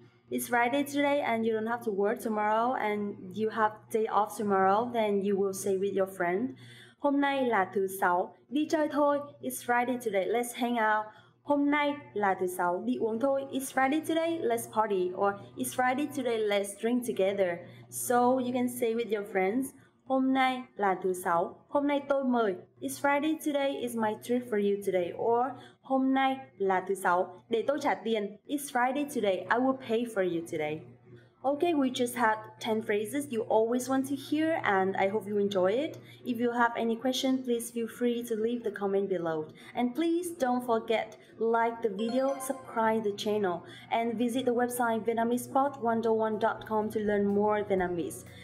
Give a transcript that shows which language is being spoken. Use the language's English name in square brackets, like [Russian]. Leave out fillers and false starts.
[English] It's Friday today and you don't have to work tomorrow and you have day off tomorrow, then you will say with your friend, [Vietnamese] hôm nay là thứ sáu, đi chơi thôi, [English] it's Friday today, let's hang out. [Vietnamese] Hôm nay là thứ sáu, đi uống thôi, [English] it's Friday today, let's party. Or it's Friday today, let's drink together. So you can say with your friends, [Vietnamese] hôm nay là thứ sáu, hôm nay tôi mời, [English] it's Friday today, it's my treat for you today. [Vietnamese] Or hôm nay là thứ sáu, để tôi trả tiền, [English] it's Friday today, I will pay for you today. Okay, we just had 10 phrases you always want to hear and I hope you enjoy it. If you have any question, please feel free to leave the comment below. And please don't forget, like the video, subscribe the channel, and visit the website VietnamesePod101.com to learn more Vietnamese.